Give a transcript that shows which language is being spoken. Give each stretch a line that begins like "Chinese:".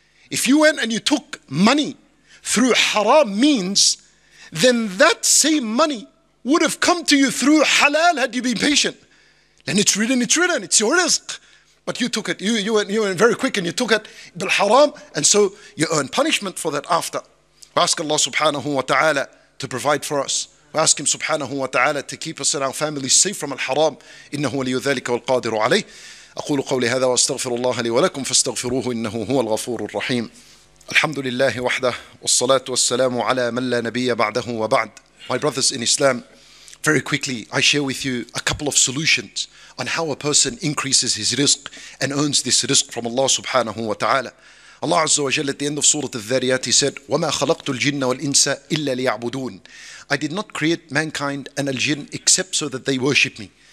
English: If you went and you took money through haram means, then that same money would have come to you through halal had you been patient. Then it's written, it's written, it's your rizq. But you took it, you went very quick and you took it bil haram. And so you earn punishment for that after. We ask Allah subhanahu wa ta'ala to provide for us. We ask him subhanahu wa ta'ala to keep us and our families safe from al-haram.
Arabic: إنه ولي ذلك والقادر عليه. أقول قولي هذا وأستغفر الله لي ولكم فاستغفروه إنه هو الغفور الرحيم. الحمد لله وحده والصلاة والسلام على من لا نبي بعده وبعد.
English: My brothers in Islam, very quickly I share with you a couple of solutions on how a person increases his rizq and earns this rizq from Allah subhanahu wa ta'ala. Allah Azza wa Jalla at the end of Surah Al-Dhariyat, he said,
Arabic: وَمَا خَلَقْتُ الْجِنَّ وَالْإِنسَ إِلَّا لِيَعْبُدُونَ.
English: I did not create mankind and al-jinn except so that they worship me.